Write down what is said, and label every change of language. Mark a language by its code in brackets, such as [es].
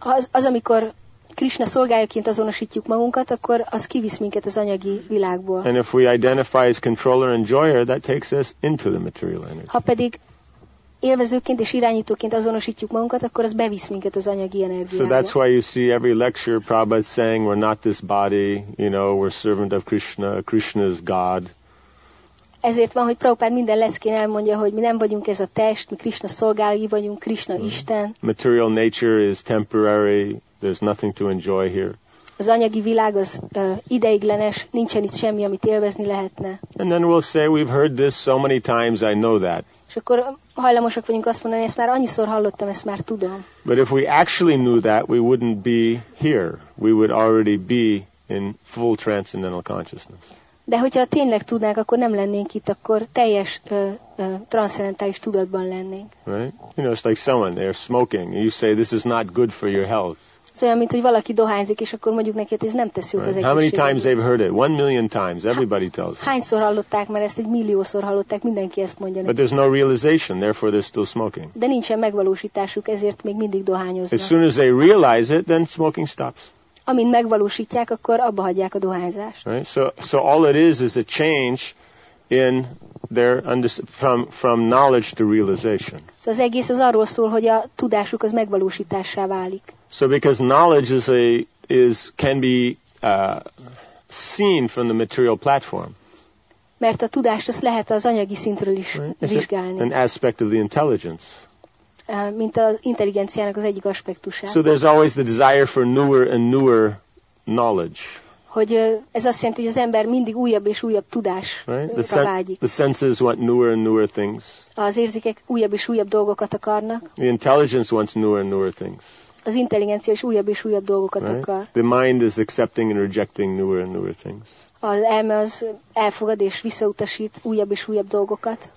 [hu] Amikor Krishna szolgájaként azonosítjuk magunkat, akkor az kivisz minket az anyagi világból. [en] And if we identify as controller and enjoyer, that takes us into the material energy. [hu] Ha pedig élvezőként és irányítóként azonosítjuk magunkat, akkor az bevisz minket az anyagi energiába. [en] So that's why you see every lecture Prabhupada saying we're not this body, you know, we're servant of Krishna, Krishna is God. [hu] Ezért van, hogy Prabhupád minden leckén elmondja, hogy mi nem vagyunk ez a test, mi Krishna szolgálói vagyunk, Krishna Isten. [en] Material nature is temporary. There's nothing to enjoy here. [hu] Az anyagi világ az ideiglenes, nincsen itt semmi, amit élvezni lehetne. [en] And then we'll say we've heard this so many times, I know that. [hu] És akkor hajlamosak vagyunk azt mondani, ezt már annyiszor hallottam, ezt már tudom. [en] But if we actually knew that, we wouldn't be here. We would already be in full transcendental consciousness. [hu] De hogyha tényleg tudnánk, akkor nem lennénk itt, akkor teljes transzcendentális tudatban lennénk. [en] Right? You know, it's like someone, they're smoking, and you say this is not good for your health. [hu] Olyan, mint hogy valaki dohányzik, és akkor mondjuk neki, ez nem tesz jót az egészségére. [en] How many times they've heard it? 1 million times, everybody tells. [hu] Hányszor hallották már ezt? Egy milliószor hallották, mindenki ezt mondja. [en] But there's no realization, therefore they're still smoking. [hu] De nincsen megvalósításuk, ezért még mindig dohányoznak. [en] As soon as they realize it, then smoking stops. [hu] Amint megvalósítják, akkor abba hagyják a dohányzást. [en] Right? So all it is a change in their from knowledge to realization. [hu] So az egész az arról szól, hogy a tudásuk az megvalósítássá válik. [en] So because knowledge can be seen from the material platform. [hu] Mert a tudást azt lehet az anyagi szintről is vizsgálni. [en] An aspect of the intelligence. [hu] Mint az intelligenciának az egyik aspektusát. [en] So there's always the desire for newer and newer knowledge. [hu] Hogy ez azt jelenti, hogy az ember mindig újabb és újabb tudás vágyik. [en] The senses want newer and newer things. [hu] Az érzékek újabb és újabb dolgokat akarnak. [en] The intelligence wants newer and newer things. [hu] Az intelligencia is újabb és újabb dolgokat akar. [en] The mind is accepting and rejecting newer and newer things. [hu] Az elme az elfogad és visszautasít újabb és újabb dolgokat.